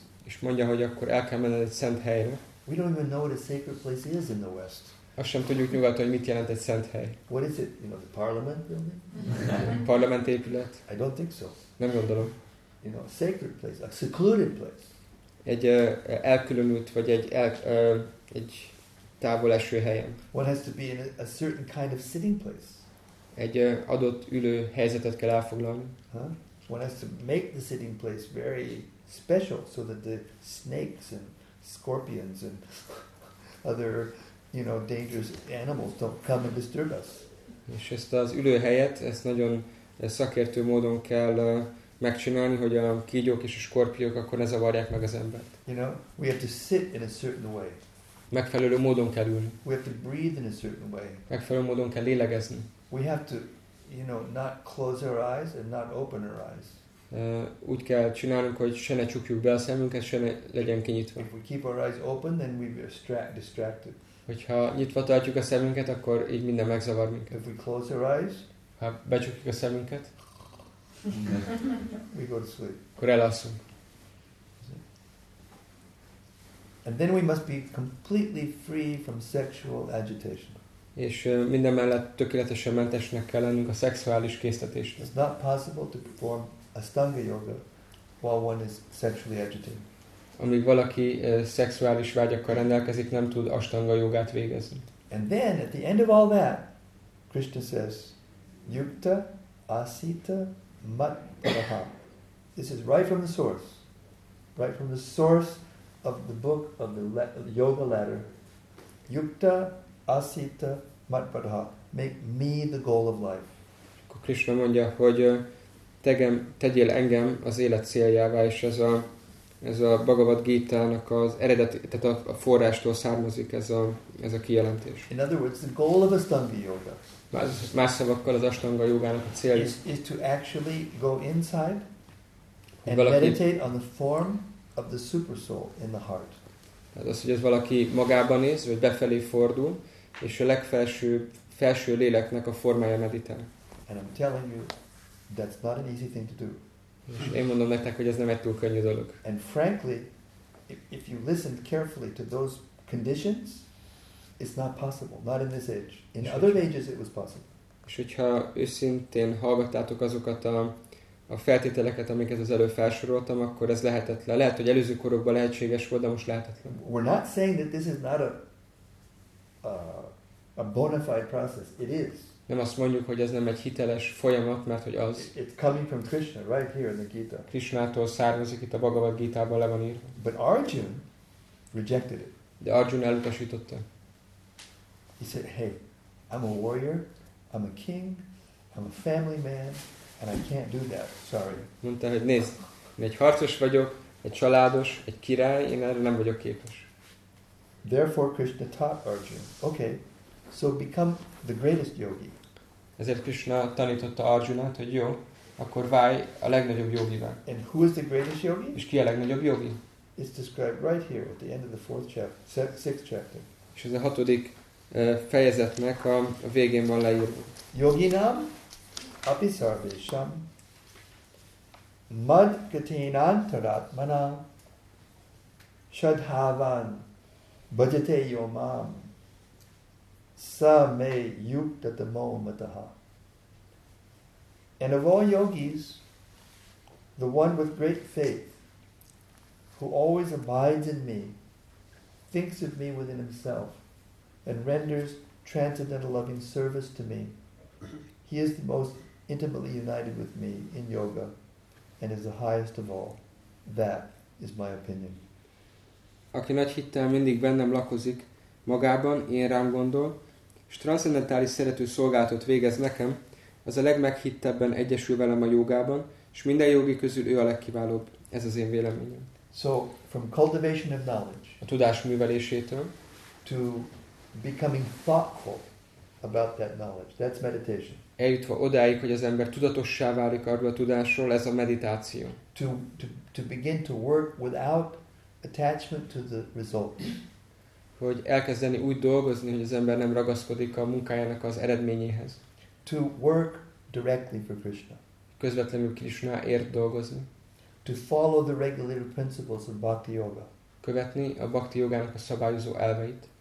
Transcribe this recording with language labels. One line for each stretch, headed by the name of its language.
Hungarian: És mondja, hogy akkor el kell menned egy szent helyre.
English: We don't even know what a sacred place is in the West.
Hungarian: Azt sem tudjuk nyugaton, hogy mit jelent egy szent hely.
English: What is it? You know, the parliament building?
Hungarian: Parlament épület?
English: I don't think so.
Hungarian: Nem gondolom.
English: You know, a sacred place, a secluded place.
Hungarian: Egy elkülönült, vagy egy távol eső helyen.
English: One has to be in a certain kind of sitting place.
Hungarian: Egy adott ülő helyzetet kell elfoglalni. Huh?
English: One has to make the sitting place very special so that the snakes and scorpions and other, you know, dangerous animals don't come and disturb us.
Hungarian: És ezt az ülőhelyet, ezt nagyon szakértő módon kell megcsinálni, hogy a kígyók és a skorpiók akkor ne zavarják meg az embert.
English: You know, we have to sit in a certain way.
Hungarian: Megfelelő módon kell ülni.
English: We have to breathe in a certain way.
Hungarian: Megfelelő módon kell lélegezni.
English: We have to, you know, not close our eyes and not open our eyes.
Hungarian: Úgy kell csinálnunk, hogy se ne csukjuk be a szemünket, se ne legyen kinyitva.
English: If we keep our eyes open, then we be distracted.
Hungarian: Hogyha nyitva tartjuk a szemünket, akkor így minden megzavar minket.
English: If we close our eyes,
Hungarian: ha becsukjuk a szemünket,
English: we go to sleep.
Hungarian: Akkor elalszunk.
English: And then we must be completely free from sexual agitation.
Hungarian: És minden mellett tökéletesen mentesnek kell lennünk a szexuális késztetésnek.
English: It's not possible to perform Ashtanga yoga while one is sexually agitated.
Hungarian: Amíg valaki szexuális vágyakkal rendelkezik, nem tud Ashtanga jogát végezni.
English: And then at the end of all that, Krishna says,
Sanskrit: yukta asita mat praha.
English: This is right from the source. Right from the source of the book of the yoga ladder.
Sanskrit: Yukta asita mat praha.
English: Make me the goal of life.
Hungarian: Akkor Krishna mondja, hogy tegyél engem az élet céljává, és ez a Bhagavad Gita-nak az eredeti, tehát a forrástól származik ez a kijelentés.
English: In other words, the goal of Ashtanga yoga.
Hungarian: Más szavakkal az Ashtanga jogának a célja.
English: Is to actually go inside and meditate on the form of the super soul in the heart.
Hungarian: Tehát az, hogy ez valaki magában néz, vagy befelé fordul, és a felső léleknek a formája meditál.
English: And I'm telling you, that's not an easy thing to do.
Hungarian: Én mondom nektek, hogy ez nem egy túl könnyű dolog.
English: And frankly, if you listen carefully to those conditions, it's not possible. Not in this age. In other ages, it was possible.
Hungarian: És hogyha őszintén hallgattátok azokat a feltételeket, amiket az előbb felsoroltam, akkor ez lehetetlen. Lehet, hogy előző korokban lehetséges volt, de most lehetetlen.
English: We're not saying that this is not a bona fide process. It is.
Hungarian: Nem azt mondjuk, hogy ez nem egy hiteles folyamat, mert hogy az.
English: It's coming from Krishna, right here in the Gita.
Hungarian: Krishnától származik, itt a Bhagavad Gita-ban le van írva.
English: But Arjun rejected it.
Hungarian: De Arjun elutasította.
English: He said, hey, I'm a warrior, I'm a king, I'm a family man, and I can't do that, sorry.
Hungarian: Mondta, hogy nézd, én egy harcos vagyok, egy családos, egy király, én erre nem vagyok képes.
English: Therefore Krishna taught Arjun, okay, so become the greatest yogi.
Hungarian: Ezért Krishna tanította Arjunát, hogy jó, akkor válj a legnagyobb jogivá.
English: And who is the greatest yogi?
Hungarian: És ki a legnagyobb jogi?
English: It's described right here at the end of the fourth chapter, sixth chapter.
Hungarian: És ez a hatodik fejezetnek a végén van leírva.
Sanskrit: Yoginam apisarvesham mad gatinantaratmana shadhavan bhajate yomam sa me yuktatamo mataha.
English: And of all yogis, the one with great faith, who always abides in me, thinks of me within himself, and renders transcendental loving service to me, he is the most intimately united with me in yoga, and is the highest of all. That is my opinion.
Hungarian: Aki nagy hittel mindig bennem lakozik, magában én rám gondol, s transzendentális szerető szolgálatot végez nekem, az a legmeghittebben egyesül velem a jogában, és minden jogi közül ő a legkiválóbb. Ez az én véleményem.
English: So, from cultivation of knowledge,
Hungarian: a tudás művelésétől,
English: to becoming thoughtful about that knowledge, that's meditation.
Hungarian: Eljutva odáig, hogy az ember tudatossá válik arról a tudásról, ez a meditáció.
English: To begin to work without attachment to the result.
Hungarian: Hogy elkezdeni úgy dolgozni, hogy az ember nem ragaszkodik a munkájának az eredményéhez.
English: To work directly for Krishna.
Hungarian: Közvetlenül Krishnaért dolgozni.
English: To follow the regulative principles of Bhakti Yoga.
Hungarian: Követni a Bhakti Yogának a szabályozó elveit.